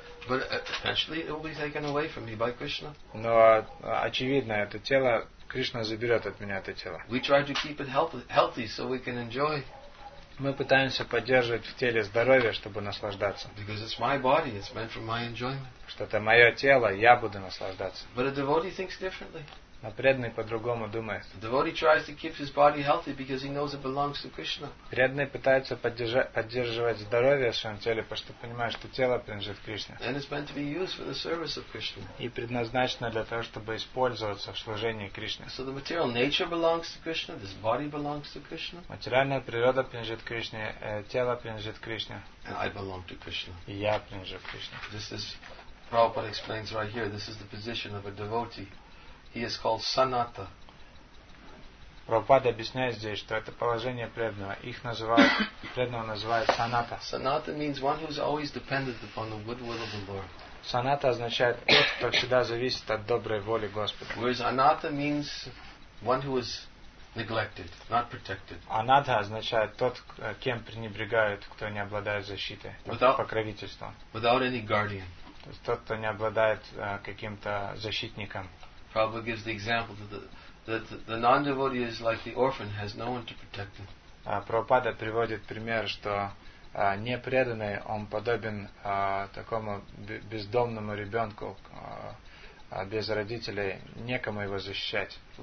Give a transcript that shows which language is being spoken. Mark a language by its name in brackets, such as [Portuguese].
[English] But eventually it will be taken away from me by Krishna. [Russian] Но очевидно, это тело Кришна заберет от меня это тело. [English] We try to keep it healthy so we can enjoy. [Russian] Мы пытаемся поддерживать в теле здоровье, чтобы наслаждаться. [English] Because it's my body, it's meant for my enjoyment. [Russian] Что это мое тело, я буду наслаждаться. [English] But a devotee thinks differently. [Russian] А преданный по-другому думает. [English] The devotee tries to keep his body healthy because he knows it belongs to Krishna. [Russian] Преданный пытается поддерживать здоровье в своем теле, потому что понимает, что тело принадлежит Кришне. [English] And it's meant to be used for the service of Krishna. [Russian] И предназначено для того, чтобы использоваться в служении Кришне. [English] So the material nature belongs to Krishna. This body belongs to Krishna. [Russian] Материальная природа принадлежит Кришне, тело принадлежит Кришне. [English] And I belong to Krishna. [Russian] И я принадлежу Кришне. [English] This is Prabhupada explains right here. This is the position of a devotee. He is called Sanata. [Russian] Prabhupada объясняет здесь, что это положение преданного. Их называют, преданного называют Sanata. [English] Sanata means one who is always dependent upon the good will of the Lord. [Russian] Sanata означает тот, кто всегда зависит от доброй воли Господа. [English] Whereas Anata means one who is neglected, not protected. [Russian] Anatha означает тот, кем пренебрегают, кто не обладает защитой, [English] without, [Russian] покровительством. [English] Without any guardian. [Russian] То есть тот, кто не обладает каким-то защитником. [English] Prabhupada gives the example that the non-devotee is like the orphan, has no one to protect him. [Russian] Прабхупада приводит пример, что непреданный, он подобен такому бездомному ребенку, без родителей, некому его защищать.